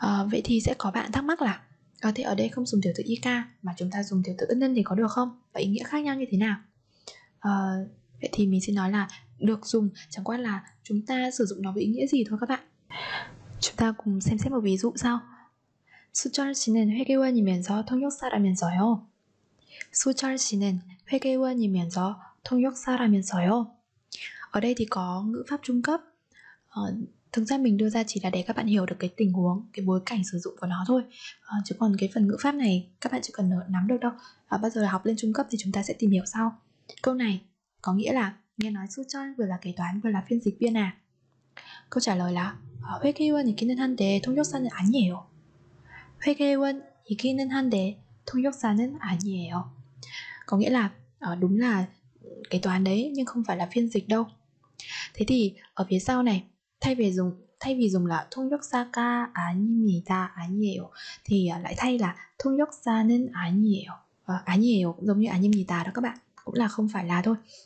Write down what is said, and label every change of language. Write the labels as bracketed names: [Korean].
[Vietnamese] Vậy thì sẽ có bạn thắc mắc là có thể ở đây không dùng tiểu từ ik mà chúng ta dùng tiểu từ ân nhân thì có được không, và ý nghĩa khác nhau như thế nào. Vậy thì mình xin nói là được dùng, chẳng qua là chúng ta sử dụng nó với ý nghĩa gì thôi các bạn. Chúng ta cùng xem xét một ví dụ sau. [Korean] 수철 씨는 회계원이면서 통역사라면서요. 수철 씨는 회계원이면서 통역사라면서요. [Vietnamese] Ở đây thì có ngữ pháp trung cấp. Thực ra mình đưa ra chỉ là để các bạn hiểu được cái tình huống, cái bối cảnh sử dụng của nó thôi. Chứ còn cái phần ngữ pháp này các bạn chỉ cần nắm được đâu. Bao giờ là học lên trung cấp thì chúng ta sẽ tìm hiểu sau. Câu này có nghĩa là nghe nói Su-chan vừa là kế toán vừa là phiên dịch viên à? Câu trả lời là [Korean] 회계원이기는 한데 통역사는 아니에요. 회계원이기는 한데 통역사는 아니에요. [Vietnamese] Có nghĩa là đúng là kế toán đấy nhưng không phải là phiên dịch đâu. Thế thì ở phía sau này thay vì dùng là [Korean] 통역사가 아닙니다, 아니에요 [Vietnamese] thì lại thay là [Korean] 통역사는 아니에요. 아니에요 [Vietnamese] giống như 아닙니다 đó các bạn, cũng là không phải là thôi.